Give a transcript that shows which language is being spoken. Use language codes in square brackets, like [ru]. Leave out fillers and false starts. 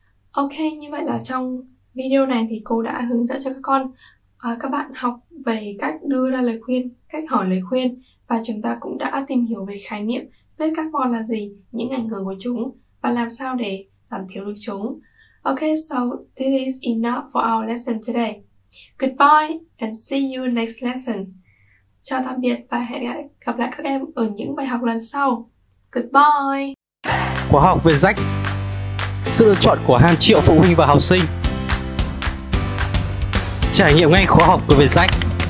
[vi] Ok, như vậy là trong video này thì cô đã hướng dẫn cho các bạn học về cách đưa ra lời khuyên, cách hỏi lời khuyên, và chúng ta cũng đã tìm hiểu về khái niệm viết carbon là gì, những ảnh hưởng của chúng và làm sao để giảm thiểu được chúng. [en] Ok, so this is enough for our lesson today. Goodbye and see you next lesson. [vi] Chào tạm biệt và hẹn gặp lại các em ở những bài học lần sau. [en] Goodbye! [vi] Khóa học Việt Rách, sự lựa chọn của hàng triệu phụ huynh và học sinh. Trải nghiệm ngay khóa học của Việt Rách.